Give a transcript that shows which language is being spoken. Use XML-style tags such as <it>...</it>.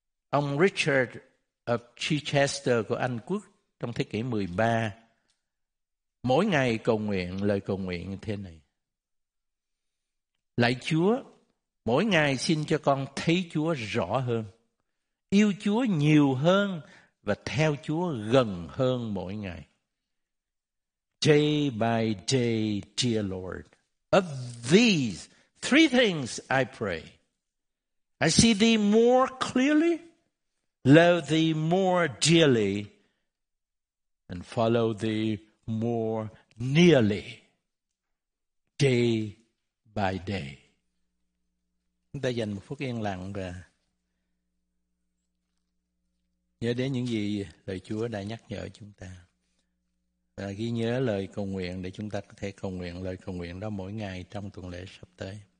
<vi>Ông Richard of Chichester của Anh Quốc trong thế kỷ 13 mỗi ngày cầu nguyện lời cầu nguyện như thế này: Lạy Chúa, mỗi ngày xin cho con thấy Chúa rõ hơn, yêu Chúa nhiều hơn và theo Chúa gần hơn mỗi ngày.</vi> <en>Day by day, dear Lord, of these three things I pray. I see Thee more clearly, love Thee more dearly, and follow Thee more nearly. Day by day.</en> <vi>Chúng ta dành một phút yên lặng và nhớ đến những gì lời Chúa đã nhắc nhở chúng ta, và ghi nhớ lời cầu nguyện để chúng ta có thể cầu nguyện lời cầu nguyện đó mỗi ngày trong tuần lễ sắp tới.</vi>